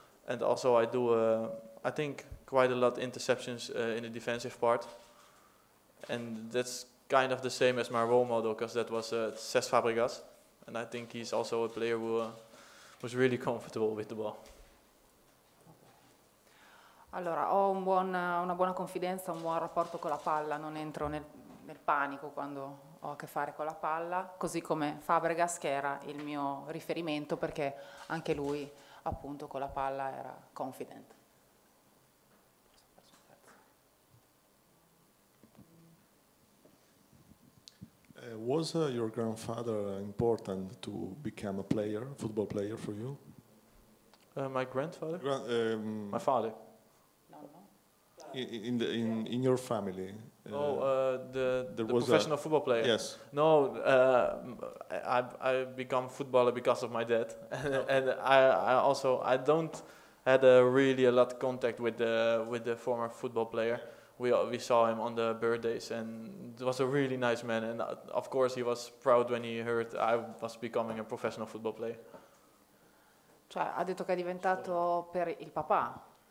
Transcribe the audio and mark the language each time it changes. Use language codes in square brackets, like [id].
[en] And also I do, I think, quite a lot of interceptions in the defensive part. And that's kind of the same as my role model, because that was Cesc Fabregas. And I think he's also a player who was really comfortable with the ball. [it] Allora, ho una buona confidenza, un buon rapporto con la palla. Non entro nel panico quando ho a che fare con la palla. Così come Fabregas, che era il mio riferimento, perché anche lui, appunto, con la palla era confident. [en] Was your grandfather important to become a player, football player for you? My grandfather? My father. In your family? The professional football player? Yes. No, I become footballer because of my dad. And I don't had a lot of contact with the former football player. We saw him on the birthdays, and it was a really nice man. And of course, he was proud when he heard I was becoming a professional football player. [it] Cioè, ha detto che è diventato per il papà?